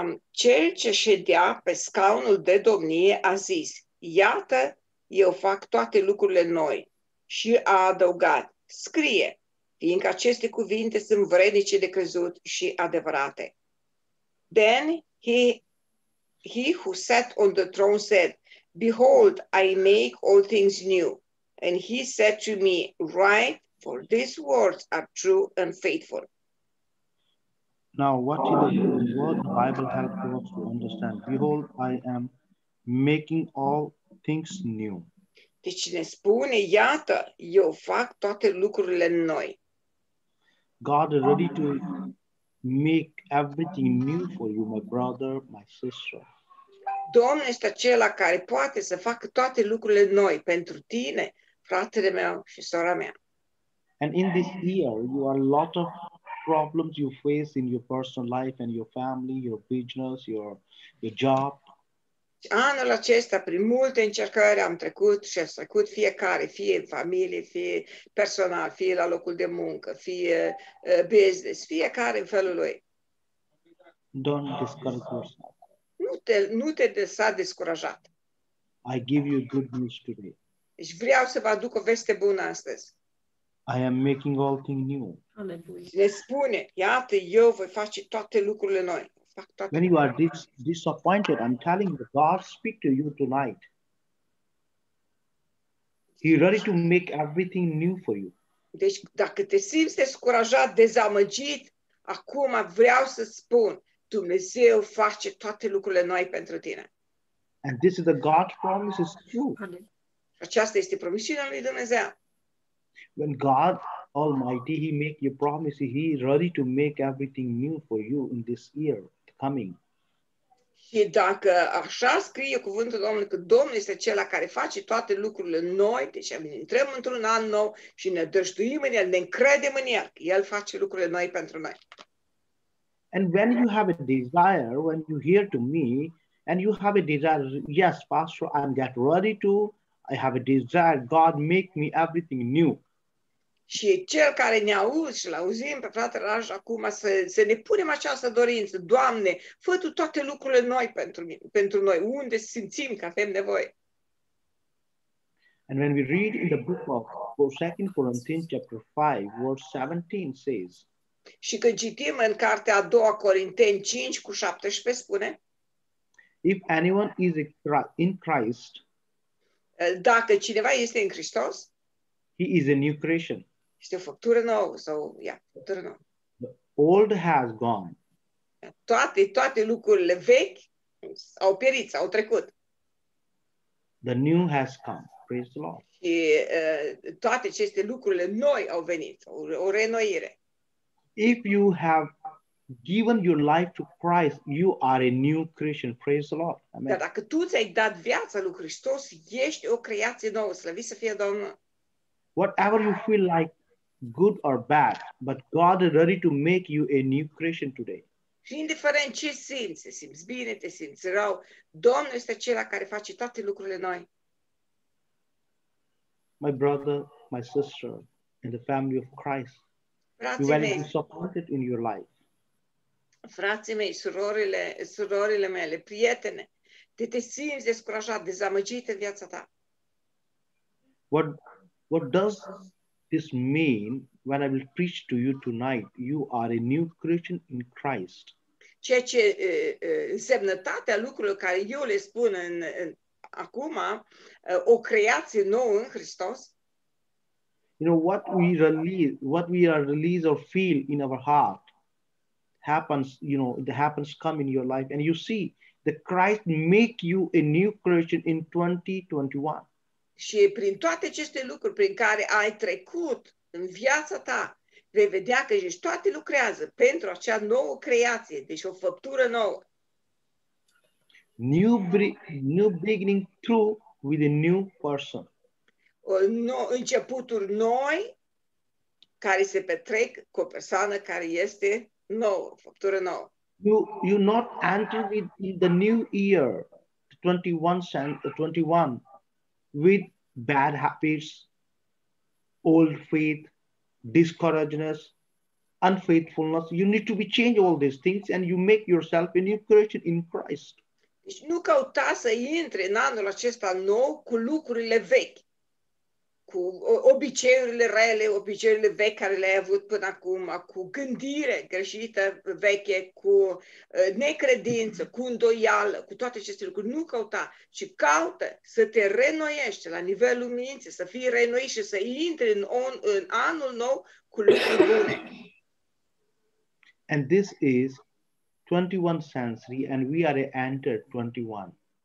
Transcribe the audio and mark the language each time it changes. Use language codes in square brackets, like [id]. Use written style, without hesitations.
[ro] Cel ce ședea pe scaunul de domnie a zis, iată, eu fac toate lucrurile noi. Și a adăugat, scrie, fiindcă aceste cuvinte sunt vrednice de crezut și adevărate. [en] Then he who sat on the throne said, behold, I make all things new. And he said to me, write, for these words are true and faithful. Now, what is the word the Bible helps us to understand? Behold, I am making all things new. [ro] Deci ne spune, iată, eu fac toate lucrurile noi. [en] God is ready to make everything new for you, my brother, my sister. [ro] Domnul este acela care poate să facă toate lucrurile noi pentru tine, fratele meu și sora mea. [en] And in this year, you are a lot of problems you face in your personal life and your family, your business, your job. [ro] Anul acesta, prin multe încercări, am trecut și am trecut fiecare, fie în familie, fie personal, fie la locul de muncă, fie business, fiecare în felul lui. [en] Don't discourage yourself. [ro] Nu te lăsa descurajat. [en] I give you good news today. [ro] Deci vreau să vă aduc o veste bună astăzi. [en] I am making all things new. [ro] Ne spune, iată, eu voi face toate lucrurile noi. [en] When you are disappointed, I'm telling you, God speak to you tonight. He ready to make everything new for you. [ro] Deci, dacă te simți descurajat, dezamăgit, acum vreau să spun, Dumnezeu face toate lucrurile noi pentru tine. [en] And this is the God's promise is true. [ro] Aceasta este promisiunea lui Dumnezeu. [en] When God Almighty, he make you promise, he is ready to make everything new for you in this year coming. [ro] Și dacă așa scrie cuvântul Domnului, că Domnul este acela care face toate lucrurile noi, deci intrăm într-un an nou și ne dăștuim în El, ne încredem în El, El face lucrurile noi pentru noi. [en] And when you have a desire, when you hear to me, and you have a desire, yes, Pastor, I'm get ready to, I have a desire, God make me everything new. [ro] Și cel care ne auzi și l-auzim pe fratele Raj acum să ne punem această dorință. Doamne, fă Tu toate lucrurile noi pentru noi, unde simțim că avem nevoie. [en] And when we read in the book of 2 Corinthians chapter 5, verse 17 says. [ro] Și când citim în cartea a doua Corinteni 5 cu 17 spune. [en] If anyone is in Christ, [ro] Dacă cineva este în Hristos, [en] he is a new creation. [ro] Este o făptură nouă, sau, făptură nouă. [en] The old has gone. [ro] Toate lucrurile vechi au pierit, au trecut. [en] The new has come. Praise the Lord. [ro] Și toate aceste lucrurile noi au venit, o reînnoire. [en] If you have given your life to Christ, you are a new creation. Praise the Lord. Amen. [ro] Dar dacă tu ți-ai dat viața lui Hristos, ești o creație nouă. Slăviți să fie Domnul. [en] Whatever you feel like, good or bad, but God is ready to make you a new creation today. [ro] Și indiferent ce simți, te simți bine, te simți rău, Domnul este acela care face toate lucrurile noi. [en] My brother, my sister, in the family of Christ, [ro] frații mei, [en] you are disappointed in your life. [ro] Frații mei, surorile mele, prietene, te simți descurajat, dezamăgit în viața ta. [en] What does this mean when I will preach to you tonight? You are a new creation in Christ. [ro] Ceea ce semnătatea lucrurilor care eu le spun acum, o creație nouă în Hristos. [en] You know, what we release or feel in our heart happens, you know, it happens come in your life. And you see, the Christ make you a new creation in 2021. [ro] Și prin toate aceste lucruri prin care ai trecut în viața ta, vei vedea că ești toate lucrează pentru acea nouă creație, deci o făptură nouă. [en] New beginning through with a new person. [ro] Începuturi noi care se petrec cu o persoană care este nouă, făptură nouă. [en] You not enter in the new year, 21, with bad habits, old faith, discouragedness, unfaithfulness. You need to be changed all these things and you make yourself a new creation in Christ. [ro] Deci nu căuta să intre în anul acesta nou cu lucrurile vechi, cu obiceiurile rele, obiceiurile vechi care le-ai avut până acum, cu gândire greșită veche, cu necredință, cu îndoială, cu toate aceste lucruri. Nu căuta, ci caută să te reînnoiești la nivelul minții, să fii reînnoit și să intri în anul nou cu lucruri bune. [en] And this is 21 century and we are entered 21.